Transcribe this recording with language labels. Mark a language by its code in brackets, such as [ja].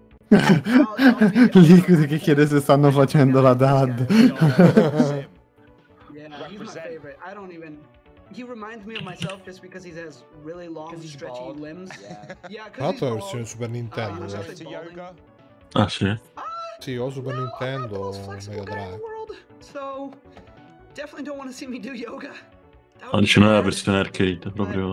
[it] Liquid che chiede se stanno facendo la dad. [en] Yeah, he's my favorite. I don't even. He reminds me of myself just because he has really long, stretchy bald. Limbs. Yeah. Yeah, cause he's bald. Super Nintendo. [it] Ah, sì. Sì, ho Super Nintendo. Mega Drive. [en] So, definitely don't want to see me do yoga. [it] Dice non è la versione arcade, è proprio.